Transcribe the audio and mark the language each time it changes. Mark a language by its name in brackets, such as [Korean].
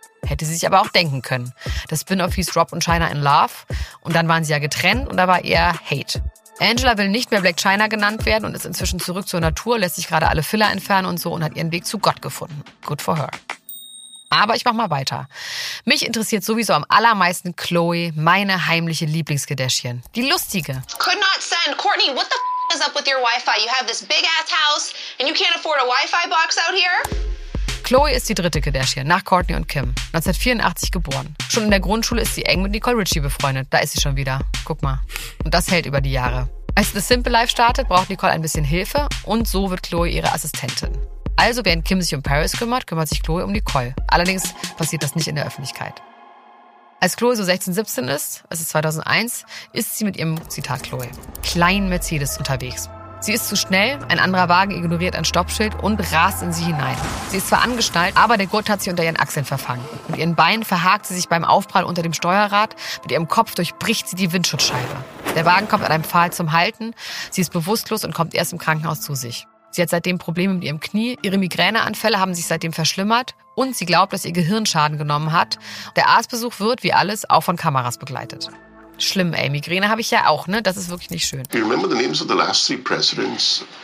[German] Hätte sie sich aber auch denken können. Das Spin-off hieß Rob und China in Love und dann waren sie ja getrennt und da war eher Hate. Angela will nicht mehr Black China genannt werden und ist inzwischen zurück zur Natur, lässt sich gerade alle Filler entfernen und so und hat ihren Weg zu Gott gefunden. [English] Good for her. [German] Aber ich mach mal weiter. Mich interessiert sowieso am allermeisten Chloe, meine heimliche Lieblings-Kardashian. Die lustige. [English] Could not send. Courtney, what the f*** is up with your Wi-Fi? You have this big ass house and you can't afford a Wi-Fi box out here? [German] Chloe ist die dritte Kardashian, nach Courtney und Kim. 1984 geboren. Schon in der Grundschule ist sie eng mit Nicole Richie befreundet. Da ist sie schon wieder. Guck mal. Und das hält über die Jahre. Als The Simple Life startet, braucht Nicole ein bisschen Hilfe und so wird Chloe ihre Assistentin. Also, während Kim sich um Paris kümmert, kümmert sich Chloe um Nicole. Allerdings passiert das nicht in der Öffentlichkeit. Als Chloe so 16, 17 ist, es ist 2001, ist sie mit ihrem, Zitat Chloe, kleinen Mercedes unterwegs. Sie ist zu schnell, ein anderer Wagen ignoriert ein Stoppschild und rast in sie hinein. Sie ist zwar angeschnallt, aber der Gurt hat sie unter ihren Achseln verfangen. Mit ihren Beinen verhakt sie sich beim Aufprall unter dem Steuerrad, mit ihrem Kopf durchbricht sie die Windschutzscheibe. Der Wagen kommt an einem Pfahl zum Halten, sie ist bewusstlos und kommt erst im Krankenhaus zu sich. Sie hat seitdem Probleme mit ihrem Knie, ihre Migräneanfälle haben sich seitdem verschlimmert und sie glaubt, dass ihr Gehirn Schaden genommen hat. Der Arztbesuch wird, wie alles, auch von Kameras begleitet. Schlimm, ey. Migräne habe ich ja auch, ne? Das ist wirklich nicht schön. [English] Do you remember the names of the last three presidents?